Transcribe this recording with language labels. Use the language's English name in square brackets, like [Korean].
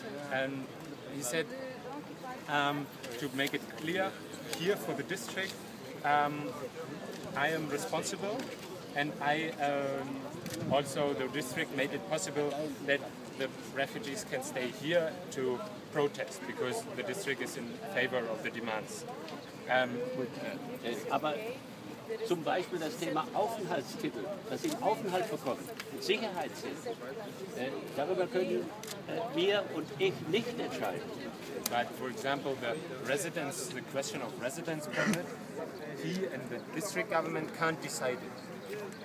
[English] And he said, to make it clear, here for the district, I am responsible, and I also the district made it possible that the refugees can stay here to protest because the district is in favor of the demands. [German] Aber zum Beispiel das Thema Aufenthaltstitel, dass sie Aufenthalt bekommen, Sicherheit sind, darüber können wir und ich nicht entscheiden. [English] But for example, the residence, the question of residence permit, he and the district government can't decide it.